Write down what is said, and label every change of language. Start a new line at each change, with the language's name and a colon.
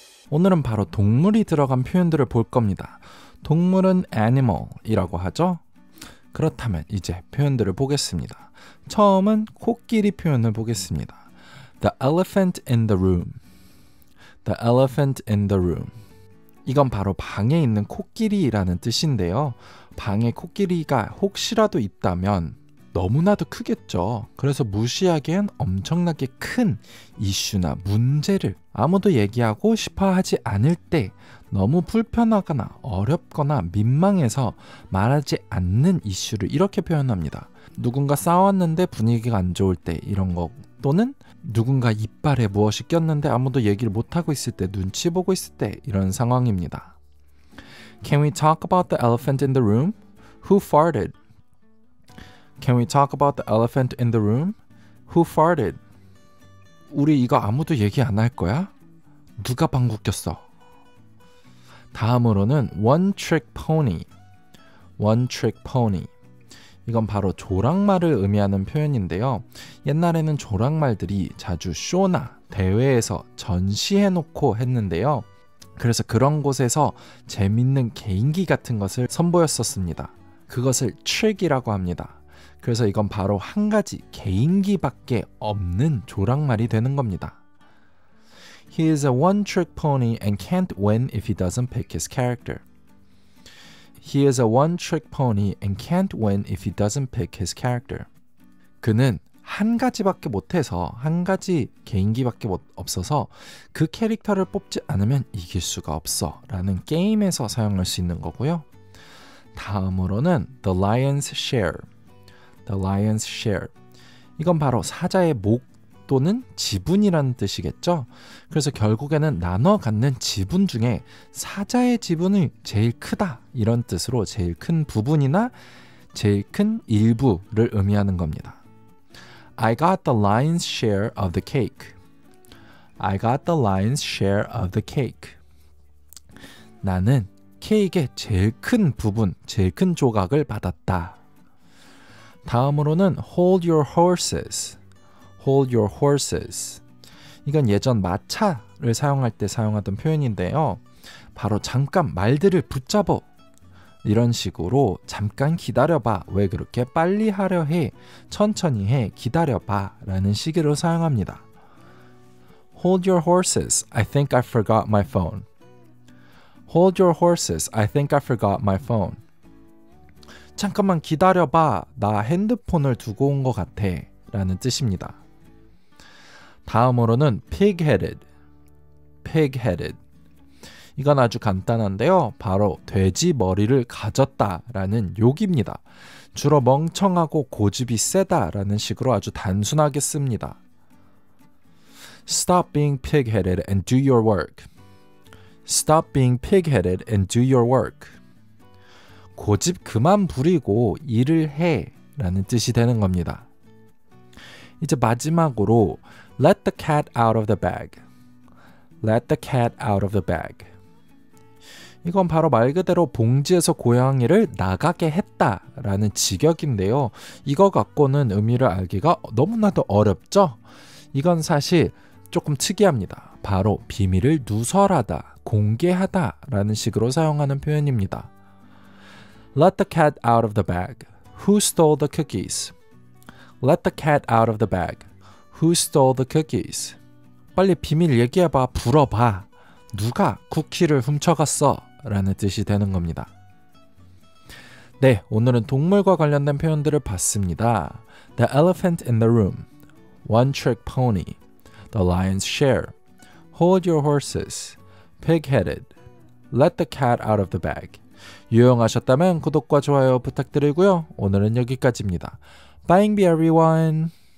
Korean: 오늘은 바로 동물이 들어간 표현들을 볼 겁니다. 동물은 animal이라고 하죠. 그렇다면 이제 표현들을 보겠습니다. 처음은 코끼리 표현을 보겠습니다.
English: The elephant in the room. The elephant in the room.
Korean: 이건 바로 방에 있는 코끼리라는 뜻인데요. 방에 코끼리가 혹시라도 있다면 너무나도 크겠죠. 그래서 무시하기엔 엄청나게 큰 이슈나 문제를 아무도 얘기하고 싶어 하지 않을 때 너무 불편하거나 어렵거나 민망해서 말하지 않는 이슈를 이렇게 표현합니다. 누군가 싸웠는데 분위기가 안 좋을 때 이런 거 또는 누군가 이빨에 무엇이 꼈는데 아무도 얘기를 못하고 있을 때 눈치 보고 있을 때 이런 상황입니다.
English: Can we talk about the elephant in the room? Who farted? Can we talk about the elephant in the room? Who farted?
Korean: 우리 이거 아무도 얘기 안 할 거야? 누가 방구 꼈어? 다음으로는
English: one trick pony. One trick pony.
Korean: 이건 바로 조랑말을 의미하는 표현인데요. 옛날에는 조랑말들이 자주 쇼나 대회에서 전시해놓고 했는데요. 그래서 그런 곳에서 재밌는 개인기 같은 것을 선보였었습니다. 그것을 trick이라고 합니다. 그래서 이건 바로 한 가지 개인기밖에 없는 조랑말이 되는 겁니다.
English: He is a one-trick pony and can't win if he doesn't pick his character. He is a one-trick pony and can't win if he doesn't pick his character.
Korean: 그는 한 가지밖에 못해서 한 가지 개인기밖에 없어서 그 캐릭터를 뽑지 않으면 이길 수가 없어 라는 게임에서 사용할 수 있는 거고요. 다음으로는
English: The Lion's Share. The Lion's Share.
Korean: 이건 바로 사자의 목 또는 지분이라는 뜻이겠죠. 그래서 결국에는 나눠 갖는 지분 중에 사자의 지분이 제일 크다 이런 뜻으로 제일 큰 부분이나 제일 큰 일부를 의미하는 겁니다.
English: I got the lion's share of the cake. I got the lion's share of the cake.
Korean: 나는 케이크의 제일 큰 부분, 제일 큰 조각을 받았다. 다음으로는
English: hold your horses. Hold your horses.
Korean: 이건 예전 마차를 사용할 때 사용하던 표현인데요. 바로 잠깐 말들을 붙잡어. 이런 식으로 잠깐 기다려봐. 왜 그렇게 빨리 하려 해? 천천히 해. 기다려봐. 라는 식으로 사용합니다.
English: Hold your horses. I think I forgot my phone. Hold your horses. I think I forgot my phone.
Korean: 잠깐만 기다려봐. 나 핸드폰을 두고 온 것 같아. 라는 뜻입니다. 다음으로는
English: pig-headed. Pig-headed.
Korean: 이건 아주 간단한데요. 바로 돼지 머리를 가졌다 라는 욕입니다. 주로 멍청하고 고집이 세다 라는 식으로 아주 단순하게 씁니다. Stop being pig-headed and do your work. Stop being pig-headed and do your work. 고집 그만 부리고 일을 해 라는 뜻이 되는 겁니다. 이제 마지막으로
English: Let the cat out of the bag. Let the cat out of the bag.
Korean: 이건 바로 말 그대로 봉지에서 고양이를 나가게 했다 라는 직역인데요. 이거 갖고는 의미를 알기가 너무나도 어렵죠? 이건 사실 조금 특이합니다. 바로 비밀을 누설하다, 공개하다 라는 식으로 사용하는 표현입니다.
English: Let the cat out of the bag. Who stole the cookies? Let the cat out of the bag. Who stole the cookies?
Korean: 빨리 비밀 얘기해봐, 불어봐. 누가 쿠키를 훔쳐갔어? 라는 뜻이 되는 겁니다. 네, 오늘은 동물과 관련된 표현들을 봤습니다.
English: The elephant in the room. One trick pony. The lion's share. Hold your horses. Pig-headed. Let the cat out of the bag.
Korean: 유용하셨다면 구독과 좋아요 부탁드리고요. 오늘은 여기까지입니다.
English: Bye, everyone.